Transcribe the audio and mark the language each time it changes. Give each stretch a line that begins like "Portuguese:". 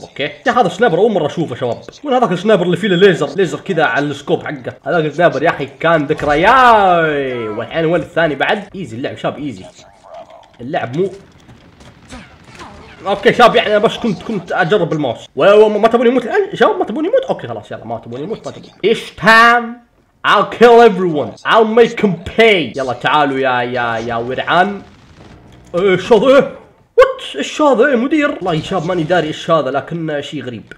Arabic: اوكي هذا سنايبر اول مره اشوفه شباب، من هذاك السنايبر اللي فيه ليزر كذا على السكوب حقه. هذاك السنايبر يا اخي كان ذكرياي، والحين وين الثاني بعد؟ ايزي اللعب شباب، ايزي اللعب مو اوكي شباب. يعني بس كنت اجرب الماوس. ما تبوني يموت شباب؟ ما تبوني يموت؟ اوكي خلاص يلا، ما تبوني يموت ما تبوني. ايش تام؟
English: I'll kill everyone. I'll make them pay.
Arabic: يلا تعالوا يا يا يا ورعان. ايش هذا؟ وات؟ ايش هذا يا مدير؟ والله يا شباب ماني داري ايش هذا لكن شيء غريب.